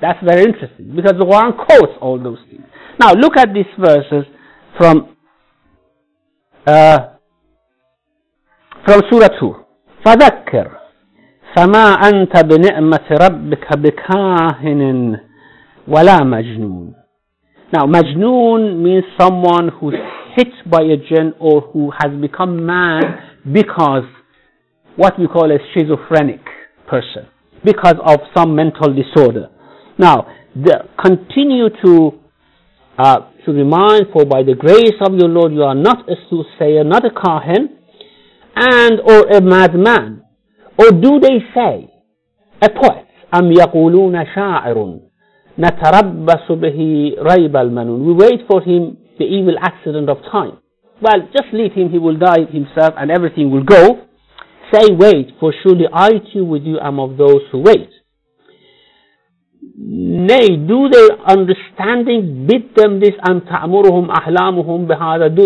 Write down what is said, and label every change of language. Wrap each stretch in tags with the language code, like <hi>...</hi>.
<en>That's very interesting, because the Quran quotes all those things. Now, look at these verses from Surah 2.</en> <ar>فذكر فما أنت بنعمة ربك بكاهن ولا مجنون.</ar> <en>Now مجنون means someone who's hit by a jinn or who has become mad because what we call a schizophrenic person, because of some mental disorder. Now continue to be mindful, by the grace of your Lord, you are not a soothsayer, not a kahin, and or a madman. Or do they say, a poet,</en> <ar>أَمْ يَقُولُونَ شَاعِرٌ نَتَرَبَّسُ بِهِ رَيْبَ الْمَنُونَ.</ar> <en>We wait for him, the evil accident of time. Well, just leave him, he will die himself and everything will go. Say, wait, for surely I too with you am of those who wait. Nay, do their understanding bid them this,</en> <ar>أَمْ تَأْمُرُهُمْ أَحْلَامُهُمْ بِهَذَا.</ar>